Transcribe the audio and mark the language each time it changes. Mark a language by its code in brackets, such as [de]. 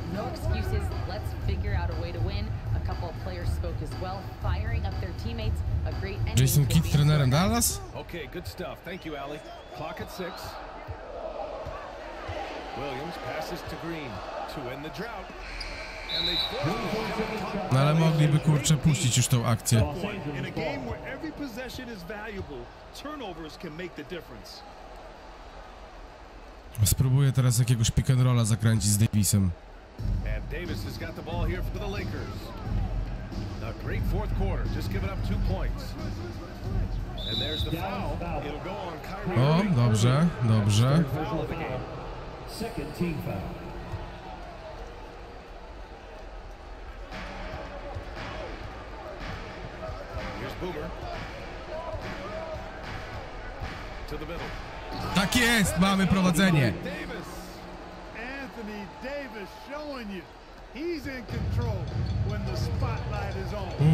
[en] No excuses. Let's figure out a way to win. A couple of players spoke as well, firing up their teammates. A great ending. Jason Kidd, trainer in Dallas. Okay, good stuff. Thank you, Allie. Clock at 6. Williams passes to Green to end the drought. And they [pl] no, ale mogliby, kurczę, puścić już tą akcję. [en] In a game where every possession is valuable, turnovers can make the difference. [pl] Spróbuję teraz jakiegoś pick and rolla zakręcić z Davisem. [en] And Davis has got the ball here for the Lakers. A great fourth quarter, just giving up 2 points. And there's the foul. It'll go on Kyrie. [pl] O, dobrze, dobrze. [en] Second team foul. Here's Boomer. To the middle. [pl] Tak jest, mamy prowadzenie. [en] Anthony Davis showing you. He's in control when the spotlight is on.